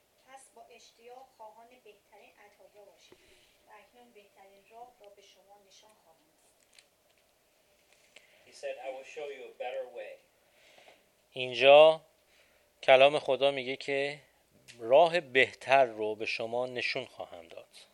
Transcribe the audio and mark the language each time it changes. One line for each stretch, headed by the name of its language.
Persian: پس با اشتیاق خواهان بهترین عطایا باشید و اکنون بهترین راه را به شما نشان خواهم داد.
English: He said I will show you a better way.
Persian: اینجا کلام خدا میگه که راه بهتر رو به شما نشون خواهم داد.